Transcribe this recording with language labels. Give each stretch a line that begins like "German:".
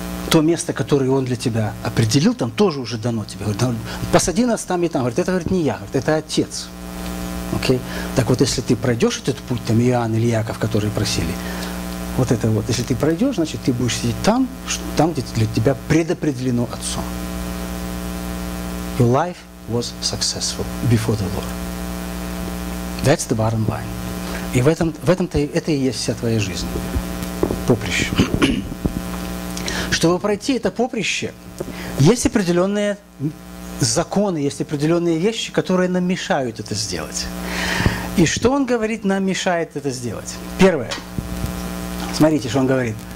Russian: то место, которое Он для тебя определил, там тоже уже дано тебе. Посади нас там и там. Говорит, это, говорит, не я, говорит, это Отец. Окей? Так вот, если ты пройдешь этот путь, там Иоанн или Яков, которые просили, вот это вот, если ты пройдешь, значит, ты будешь сидеть там, там, где для тебя предопределено Отцом.
English: Your life was successful before the Lord. That's the bottom line.
Russian: И в этом-то и есть вся твоя жизнь. Поприще. Чтобы пройти это поприще, есть определенные законы, есть определенные вещи, которые нам мешают это сделать. И что Он говорит, нам мешает это сделать? Первое. Смотрите, что Он говорит.